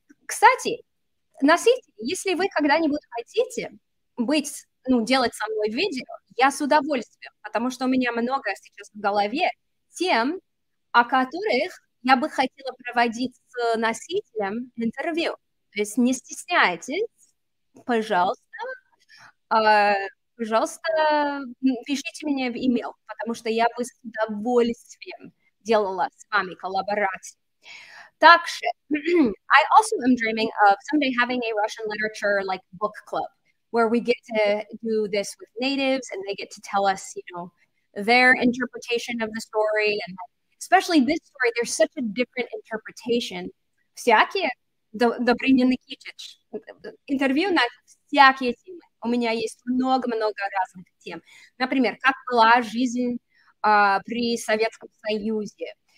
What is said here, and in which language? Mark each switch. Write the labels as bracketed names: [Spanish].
[Russian] Кстати, носите, если вы когда-нибудь хотите быть, ну, делать со мной видео, я с удовольствием, потому что у меня много сейчас в голове тем, о которых я бы хотела проводить с носителем интервью. То есть не стесняйтесь, пожалуйста, пожалуйста, пишите мне в имейл, потому что я бы с удовольствием делала с вами коллаборацию. Так что, [English] I also am dreaming of someday having a Russian literature, like, book club, where we get to do this with natives and they get to tell us, you know, their interpretation of the story. And especially this story, there's such a different interpretation. [Russian] Всякие, Добрыня Никитич, интервью на всякие темы. У меня есть много-много разных тем. Например, как была жизнь при Советском Союзе?